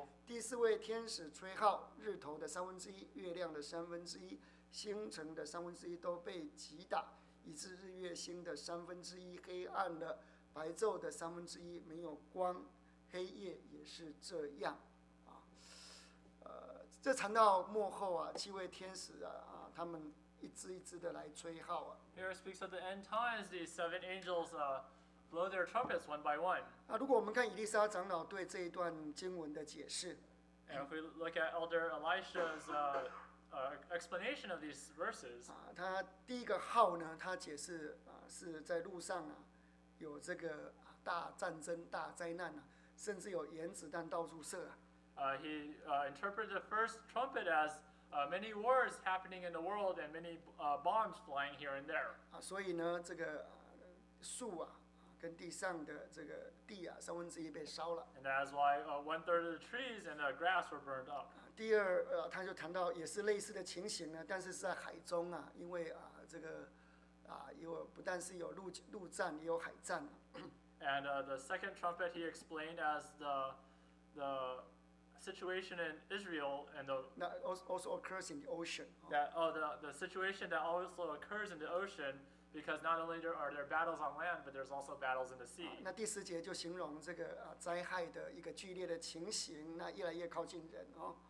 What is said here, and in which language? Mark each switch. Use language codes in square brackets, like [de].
[zh] 第四位天使吹号，日头的三分之一，月亮的三分之一，星辰的三分之一都被击打，以致日月星的三分之一黑暗了，白昼的三分之一没有光，黑夜也是这样。这谈到末后七位天使他们。一支一支的来吹号 [en] Here it speaks of the end times. The seven angels blow their trumpets one by one. [zh] 如果我们看以利沙长老对这一段经文的解释 [en] ，And if we look at Elder Elisha's explanation of these verses, [zh] 他第一个号呢，他解释是在路上有这个大战争、大灾难甚至有原子弹到处射 [en] He interpreted the first trumpet as many wars happening in the world and many bombs flying here and there. [zh] 所以呢，这个树跟地上的这个地三分之一被烧了。 [en] And that's why one third of the trees and the grass were burned up. [zh] 第二，他就谈到也是类似的情形但是在海中因为这个有不但是有陆战，也有海战。 [en] And the second trumpet he explained as the situation in Israel and the that also occurs in the ocean. The situation that also occurs in the ocean, because not only are there battles on land, but there's also battles in the sea. [zh] 那第四节就形容这个灾害的一个剧烈的情形，那越来越靠近人哦。